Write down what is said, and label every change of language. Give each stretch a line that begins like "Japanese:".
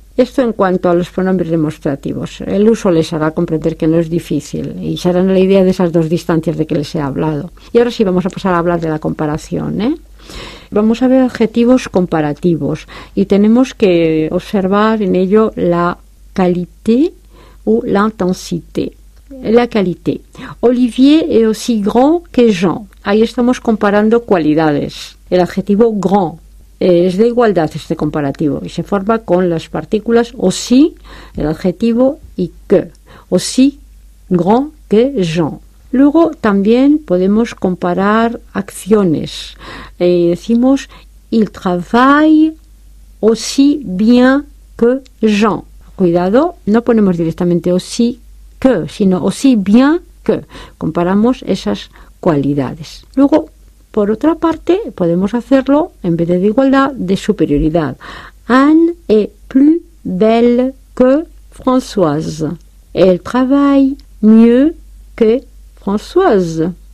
Spanish: Esto en cuanto a los pronombres demostrativos. El uso les hará comprender que no es difícil y se harán la idea de esas dos distancias de que les he hablado. Y ahora sí vamos a pasar a hablar de la comparación, ¿eh? Vamos a ver adjetivos comparativos y tenemos que observar en ello la qualité o l'intensité.
French: La qualité. Olivier est aussi grand que Jean.
Spanish: Ahí estamos comparando cualidades. El adjetivo grand. Es de igualdad este comparativo y se forma con las partículas aussi, el adjetivo, y que.
French: Aussi grand que Jean.
Spanish: Luego también podemos comparar acciones. Decimos,
French: il travaille aussi bien que Jean.
Spanish: Cuidado, no ponemos directamente aussi que, sino
French: aussi bien que.
Spanish: Comparamos esas cualidades. Luego, por otra parte, podemos hacerlo, en vez de igualdad, de superioridad.
French: Anne est plus belle que Françoise. Elle travaille mieux que Françoise.